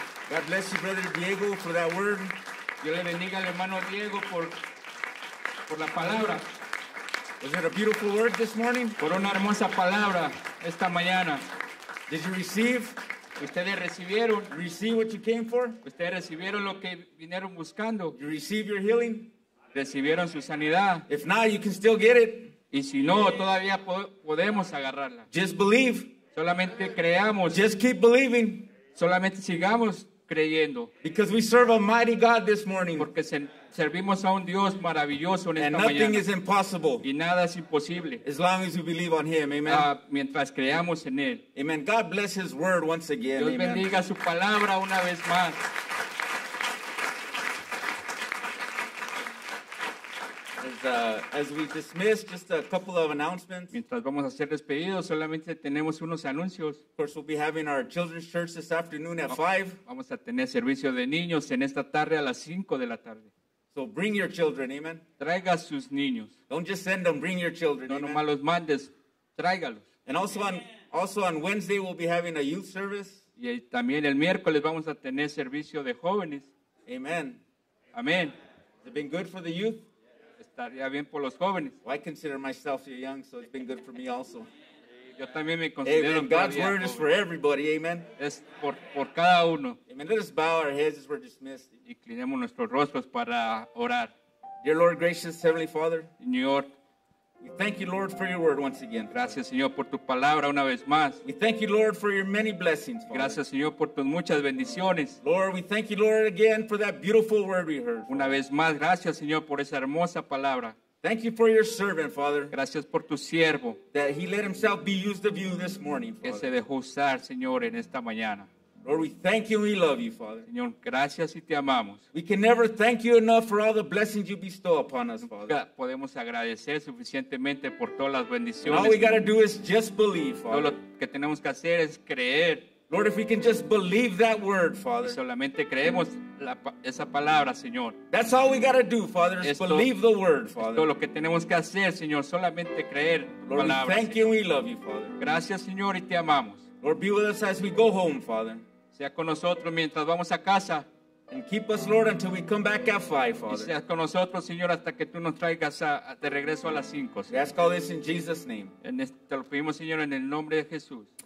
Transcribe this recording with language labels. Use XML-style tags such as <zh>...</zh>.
<en>God bless you, brother Diego, for that word.</en> <es>Dios le bendiga al hermano Diego por la palabra.</es> <en>Was it a beautiful word this morning?</en> <es>Por una hermosa palabra esta mañana.</es> <en>Did you receive?</en> <es>Ustedes recibieron.</es> <en>Receive what you came for?</en> <es>Ustedes recibieron lo que vinieron buscando.</es> <en>You receive your healing?</en> <es>Recibieron su sanidad.</es> <en>If not, you can still get it.</en> <es>Y si no, todavía podemos agarrarla.</es> <en>Just believe.</en> <es>Solamente creamos.</es> <en>Just keep believing.</en> <es>Solamente sigamos creyendo.</es> <en>Because we serve a mighty God this morning.</en> <es>Porque servimos a un Dios maravilloso en esta</es> <en>mañana. And nothing</en> <es>mañana.</es> <en>Is impossible.</en> <es>Y nada es imposible.</es> <en>As long as you believe on Him, amen.</en> <es>Mientras creamos en Él.</es> <en>Amen. God bless His word once again.</en> <es>Dios</es> <en>amen.</en> <es>Bendiga su palabra una vez más.</es> <en>As we dismiss, just a couple of announcements.</en> <es>Mientras vamos a ser despedidos, solamente tenemos unos anuncios.</es> <en>Of course, we'll be having our children's church this afternoon at 5.</en> <es>Vamos a tener servicio de niños en esta tarde a las 5 de la tarde.</es> <en>So bring your children, amen.</en> <es>Traiga sus niños.</es> <en>Don't just send them, bring your children,</en> <es>no,</es> <en>amen.</en> <es>No nomás los mandes, tráigalos.</es> <en>And also on Wednesday, we'll be having a youth service.</en> <es>Y también el miércoles vamos a tener servicio de jóvenes.</es> <en>Amen. Amen. Has it been good for the youth?</en> <es>Estaría bien por los jóvenes.</es> <en>Well, I consider myself so young, so it's been good for me also.</en> <es>Yo también me considero</es> <en>amen. God's word is for everybody, amen.</en> <es>Es por cada uno.</es> <en>Amen. Let us bow our heads as we're dismissed.</en> <es>Inclinemos nuestros rostros para orar.</es> <en>Dear Lord, gracious Heavenly Father.</en> <es>Señor.</es> <en>We thank you, Lord, for your word once again.</en> <es>Gracias, Señor, por tu palabra una vez más.</es> <en>We thank you, Lord, for your many blessings, Father.</en> <es>Gracias, Señor, por tus muchas bendiciones.</es> <en>Lord, we thank you, Lord, again for that beautiful word we heard.</en> <es>Una vez más, gracias, Señor, por esa hermosa palabra.</es> <en>Thank you for your servant, Father.</en> <es>Gracias por tu siervo.</es> <en>That he let himself be used of you this morning, Father.</en> <es>Que se dejó usar, Señor, en esta mañana.</es> <en>Lord, we thank you and we love you, Father.</en> <es>Señor, gracias y te amamos.</es> <en>We can never thank you enough for all the blessings you bestow upon us, Father.</en> <es>Podemos agradecer suficientemente por todas las bendiciones.</es> <en>All we got to do is just believe, Father.</en> <es>Lo que tenemos que hacer es creer.</es> <en>Lord, if we can just believe that word, Father.</en> <es>Y solamente creemos esa palabra, Señor.</es> <en>That's all we got to do, Father, is believe the word, Father.</en> <es>Esto es lo que tenemos que hacer, Señor, solamente creer</es> <en>Lord,</en> <es>palabra,</es> <en>we thank</en> <es>Señor.</es> <en>You and we love you, Father.</en> <es>Gracias, Señor, y te amamos.</es> <en>Lord, be with us as we go home, Father.</en> <es>Sea con nosotros mientras vamos a casa.</es> <en>And keep us, Lord, until we come back at 5, Father.</en> <es>Y sea con nosotros, Señor, hasta que tú nos traigas de regreso a las 5.</es> <en>We ask all this in Jesus' name.</en> <es>Te lo pedimos, Señor, en el nombre de Jesús.</es>